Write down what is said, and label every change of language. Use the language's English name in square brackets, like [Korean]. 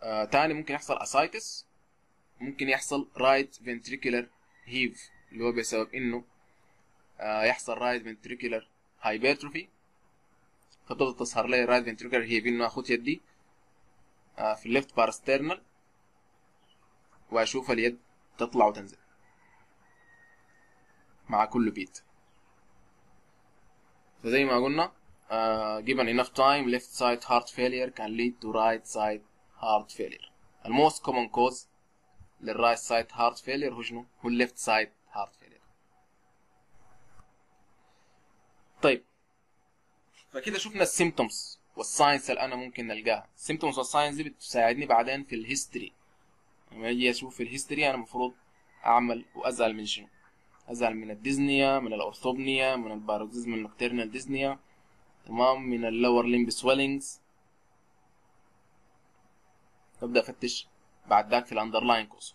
[Arabic] تاني ممكن يحصل اسايتس، ممكن يحصل رايت فينتريكولر هيف اللي هو بسبب انه يحصل رايت فينتريكولر هايبرتروفي، فبتبدا تظهر لي رايت فينتريكولر هيف انه اخد يدي في الليفت باراسترنال واشوف اليد تطلع وتنزل مع كل بيت. فزي ما قلنا [English] given enough time left side heart failure can lead to right side heart failure. The most common cause لل right side heart failure [Arabic] هو شنو؟ هو [English] left side heart failure. [Arabic] طيب فكده شفنا ال symptoms وال signs اللي أنا ممكن نلقاها. symptoms وال signs دي بتساعدني بعدين في ال history. لما أجي أشوف في ال history أنا المفروض أعمل وأزعل من شنو؟ أزعل من الديزنيا، من الأورثوبنيا، من الباروكسيزم النوكتيرنال ديزنيا تمام، من اللور لمب سويلينجز، ابدأ افتش بعد ذاك في الاندرلاين كوز.